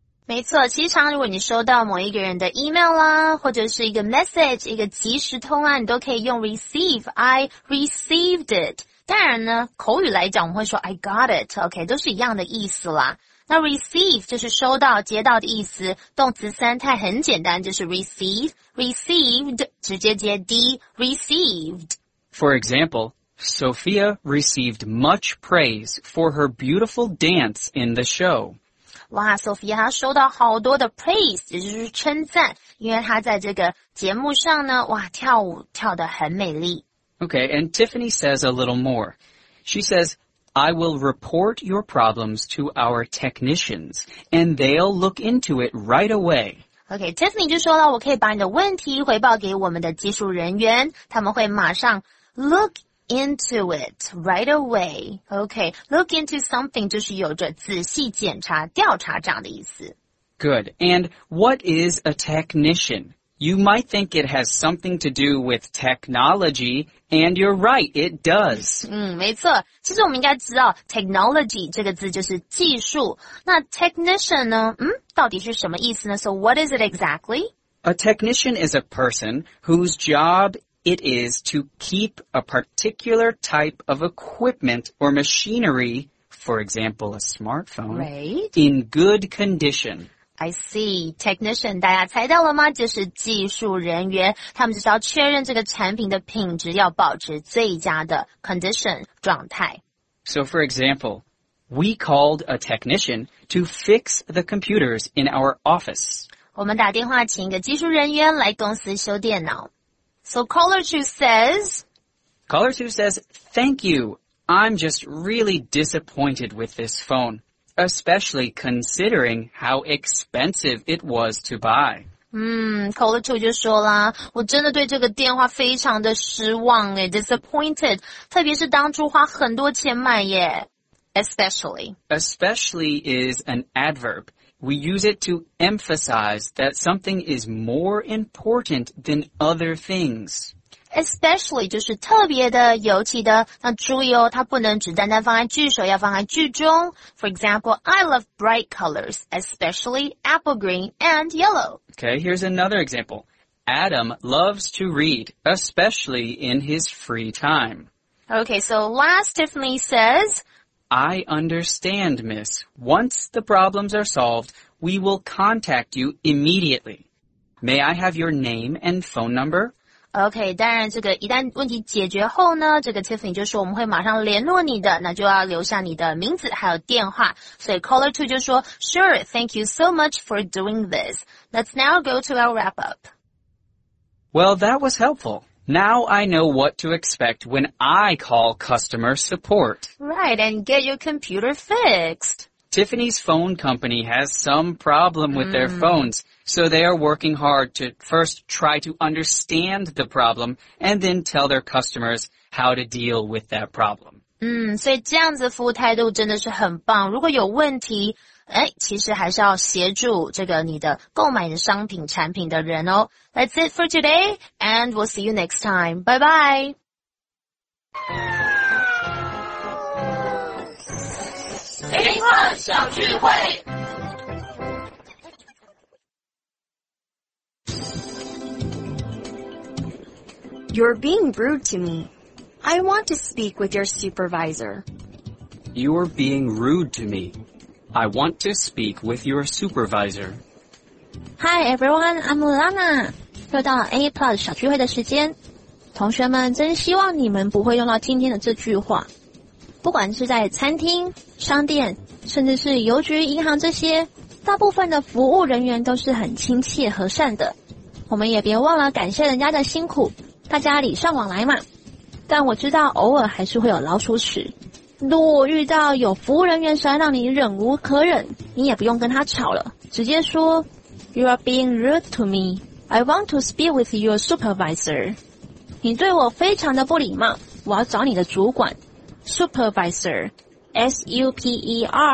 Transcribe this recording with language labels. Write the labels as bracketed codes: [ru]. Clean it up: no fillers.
[zh] 没错，其实常如果你收到某一个人的 email 啦，或者是一个 message， 一个即时通啊，你都可以用 receive， [en] I received it。 [zh] 当然呢，口语来讲我们会说 [en] I got it， [zh] OK， 都是一样的意思啦。那 receive 就是收到、接到的意思，动词三态很简单，就是 receive， received， 直接接 d， received。 [en] For example, Sophia received much praise for her beautiful dance in the show. [zh] 哇 ,Sophia 她收到好多的 praise, 也就是称赞因为她在这个节目上呢哇跳舞跳得很美丽。 [en] Okay, and Tiffany says a little more. She says, I will report your problems to our technicians, and they'll look into it right away. [zh] Okay, Tiffany 就说了我可以把你的问题回报给我们的技术人员他们会马上 [en] look into it right away. [zh] Okay, look into something 就是有着仔细检查、调查这样的意思。 [en] Good. And what is a technician? You might think it has something to do with technology, and you're right, it does. [zh] 没错。其实我们应该知道 technology 这个字就是技术。那 technician 呢？到底是什么意思呢？ [en] So what is it exactly? A technician is a person whose job it is to keep a particular type of equipment or machinery, for example, a smartphone, right. in good condition. I see. [zh] Technician, 大家猜到了吗？就是技术人员，他们就是要确认这个产品的品质要保持最佳的 condition, 状态。 [en] So, for example, we called a technician to fix the computers in our office. [zh] 我们打电话请一个技术人员来公司修电脑。 [en] So caller 2 says, caller 2 says, thank you. I'm just really disappointed with this phone, especially considering how expensive it was to buy. [zh] Caller 2就说啦，我真的对这个电话非常的失望耶， disappointed, 特别是当初花很多钱买耶。 [en] Especially. Especially is an adverb. We use it to emphasize that something is more important than other things. [zh] Especially 就是特别的，尤其的。那注意哦，它不能只单单放在句首，要放在句中。 [en] For example, I love bright colors, especially apple green and yellow. Okay, here's another example. Adam loves to read, especially in his free time. Okay, so last Tiffany says... I understand, miss. Once the problems are solved, we will contact you immediately. May I have your name and phone number? [zh] Okay, 当然这个一旦问题解决后呢，这个 Tiffany 就说我们会马上联络你的，那就要留下你的名字还有电话。所以 [en] caller 2就说 Sure, thank you so much for doing this. Let's now go to our wrap-up. Well, that was helpful. Now I know what to expect when I call customer support. Right, and get your computer fixed. Tiffany's phone company has some problem with their phones, so they are working hard to first try to understand the problem and then tell their customers how to deal with that problem. [zh] 所以这样子服务态度真的是很棒。如果有问题，其实还是要协助这个你的购买的商品产品的人哦。 [en] That's it for today, and we'll see you next time. Bye bye! You're being rude to me. I want to speak with your supervisor. You're being rude to me. I want to speak with your supervisor. Hi, everyone. I'm Lana. [zh] 又到 A Plus 小聚会的时间。同学们，真希望你们不会用到今天的这句话。不管是在餐厅、商店，甚至是邮局、银行这些，大部分的服务人员都是很亲切和善的。我们也别忘了感谢人家的辛苦，大家礼尚往来嘛。但我知道偶尔还是会有老鼠屎。如果遇到有服务人员实在让你忍无可忍，你也不用跟他吵了，直接说 [en] You are being rude to me. I want to speak with your supervisor. [zh] 你对我非常的不礼貌，我要找你的主管 Supervisor S-U-P-E-R-V-I-S-O-R